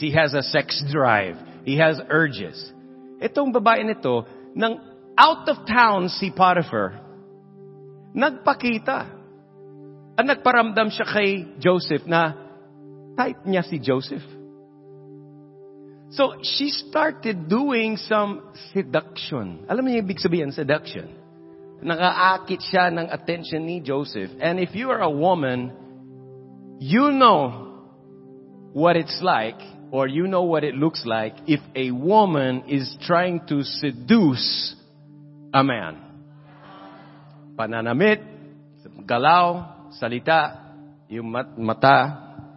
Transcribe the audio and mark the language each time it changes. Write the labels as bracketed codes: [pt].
[en] He has a sex drive. He has urges. [tl] Itong babae nito, nang out of town si Potiphar, nagpakita at nagparamdam siya kay Joseph na type niya si Joseph. [en] So, she started doing some seduction. [tl] Alam niyo yung ibig sabihin, seduction. Nakaakit siya ng attention ni Joseph. [en] And if you are a woman, you know what it's like, or you know what it looks like if a woman is trying to seduce a man. [tl] Pananamit, galaw, salita, yung mata.